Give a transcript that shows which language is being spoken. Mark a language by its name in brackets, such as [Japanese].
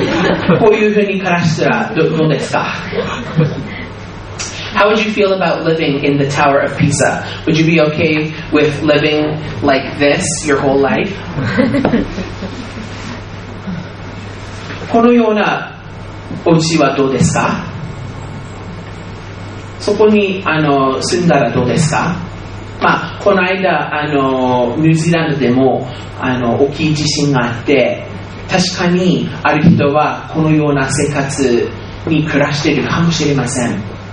[Japanese] 皆さんは、この、ここ、このピザにある塔に住むことはどうでしょうか?いいですか?よろしいですか?生活はいつも、こういうふうに暮らしたらどうですか? [English] How would you feel about living in the Tower of Pisa? Would you be okay with living like this your whole life? [Japanese] このようなお家はどうですか? そこに住んだらどうですか? この間、ニュージーランドでも大きい地震があって、確かにある人はこのような生活に暮らしているかもしれません。